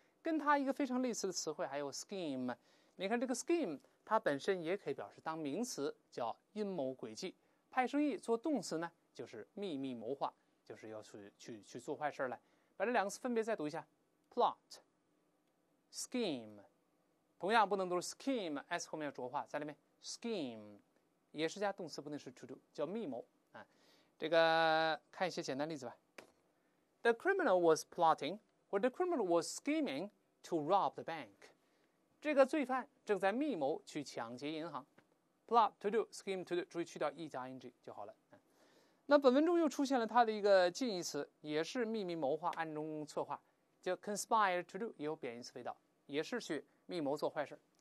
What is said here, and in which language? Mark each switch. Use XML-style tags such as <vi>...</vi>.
<zh>跟它一个非常类似的词汇还有 scheme， 你看这个 scheme 它本身也可以表示当名词叫阴谋诡计，派生意做动词呢就是秘密谋划，就是要去做坏事了。把这两个词分别再读一下 plot scheme， 同样不能读 scheme， s 后面要浊化，在里面 scheme 也是加动词不定式 to do， 叫密谋。这个看一些简单例子吧。</zh> <en>The criminal was plotting, or the criminal was scheming to rob the bank.</en> <zh>这个罪犯正在密谋去抢劫银行。</zh> <en>Plot to do, scheme to do,</en> <zh>注意去掉 e 加 ing 就好了。那本文中又出现了它的一个近义词，也是秘密谋划、暗中策划，叫</zh> <en>conspire to do，</en> <zh>也有贬义词味道，也是去密谋做坏事。</zh>